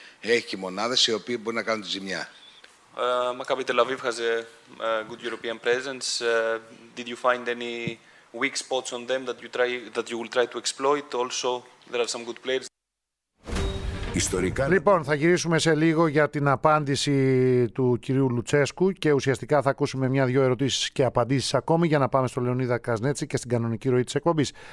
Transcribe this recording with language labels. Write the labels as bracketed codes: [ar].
[el] Έχει και μονάδες οι οποίοι μπορεί να κάνουν τη ζημιά. [en] Maccabi Tel Aviv has a good European presence. Did you find any weak spots on them that you will try to exploit? Also, there are some good players. [el] Ιστορικά... Λοιπόν, θα γυρίσουμε σε λίγο για την απάντηση του κυρίου Λουτσέσκου και ουσιαστικά θα ακούσουμε μια-δυο ερωτήσεις και απαντήσεις ακόμη για να πάμε στον Λεωνίδα Καζνέτση και στην κανονική ροή της εκπομπής.